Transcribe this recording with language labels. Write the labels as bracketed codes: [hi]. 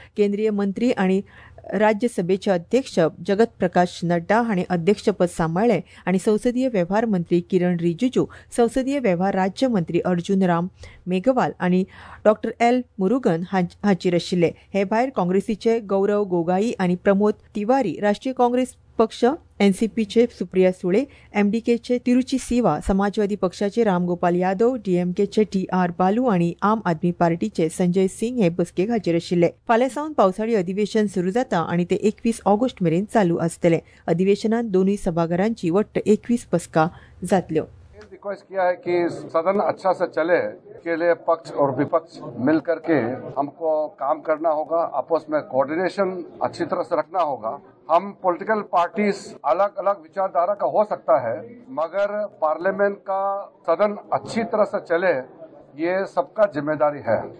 [gom] केंद्रीय मंत्री आनी राज्यसभेचे अध्यक्ष जगत प्रकाश नड्डा हाणी अध्यक्षपद सांबाळले आनी संसदीय वेव्हार मंत्री किरण रिजीजू, संसदीय वेव्हार राज्यमंत्री अर्जून राम मेघवाल आनी डॉ एल मुरुगन हांचेर आशिल्ले. हे भायर काँग्रेसीचे गौरव गोगाई आनी प्रमोद तिवारी, राष्ट्रीय काँग्रेस पक्ष एनसीपीचे सुप्रिया सुळे, एमडीकेचे तिरुची सिवा, समाजवादी पक्षाचे रामगोपाल यादव, डीएमकेचे टी आर बालू आनी आम आदमी पार्टीचे संजय सिंग हे बसकेक हाजीर आशिल्ले. फाल्यां सावन पावसाळी अधिवेशन सुरू जाता आनी ते 21 ऑगस्ट मेरेन चालू आसतले. अधिवेशनात दोनूय सभाघरांची वट्ट 21 बसका जातल्यो. [hi] रिक्वेस्ट किया है कि सदन अच्छा से चले के लिए पक्ष और विपक्ष मिल करके हमको काम करना होगा. आपस में कोऑर्डिनेशन अच्छी तरह से रखना होगा. हम पॉलिटिकल पार्टीज अलग अलग विचारधारा का हो सकता है, मगर पार्लियामेंट का सदन अच्छी तरह से चले ये सबका जिम्मेदारी है.